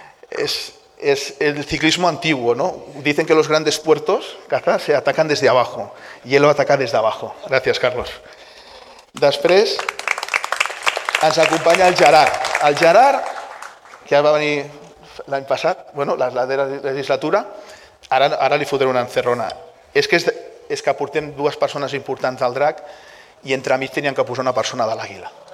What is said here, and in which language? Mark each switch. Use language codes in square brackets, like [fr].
[ca] És el ciclisme antiguo, no? [es] Dicen que los grandes puertos, Caza, se atacan desde abajo, y él lo ataca desde abajo. Gracias, Carlos. [ca] Després, ens acompanya el Gerard. El Gerard, que ja va venir l'any passat, bueno, la darrera legislatura, ara li fotré una encerrona. És que portem dues persones importants al DRAC i entre mig teníem que posar una persona de l'Àguila.